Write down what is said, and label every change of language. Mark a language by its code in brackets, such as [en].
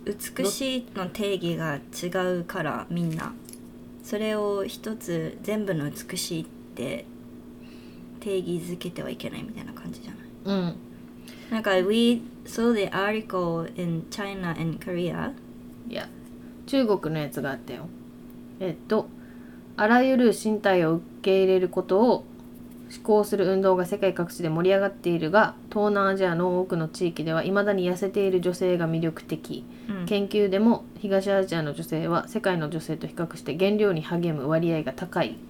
[ja] 美しいの定義が違うからみんなそれを一つ全部の美しいって定義づけてはいけないみたいな感じじゃないうん [en] なんか We saw the article in China and Korea [ja] いや中国のやつがあったよあらゆる身体を受け入れることを思考する運動が世界各地で盛り上がっているが東南アジアの多くの地域では未だに痩せている女性が魅力的、うん、研究でも東アジアの女性は世界の女性と比較して減量に励む割合が高い、